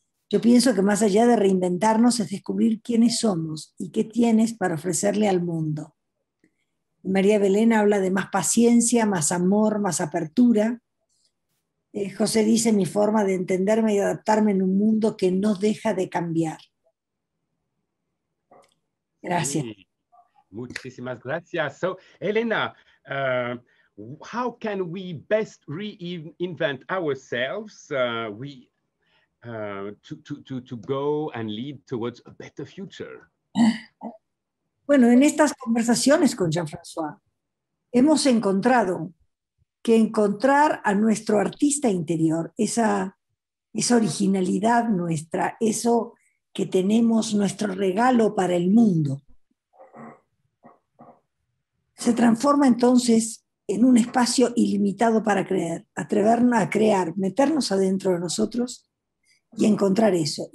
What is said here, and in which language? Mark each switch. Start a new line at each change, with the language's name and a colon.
Spanish: Yo pienso que más allá de reinventarnos es descubrir quiénes somos y qué tienes para ofrecerle al mundo. María Belén habla de más paciencia, más amor, más apertura. José dice, mi forma de entenderme y adaptarme en un mundo que no deja de cambiar. Gracias. Sí. Muchísimas gracias.
English: So, Elena, how can we best reinvent ourselves? To go and lead towards a better future.
Spanish: Bueno, en estas conversaciones con Jean-François, hemos encontrado que encontrar a nuestro artista interior, esa originalidad nuestra, eso que tenemos, nuestro regalo para el mundo, se transforma entonces en un espacio ilimitado para creer, atrevernos a crear, meternos adentro de nosotros y encontrar eso.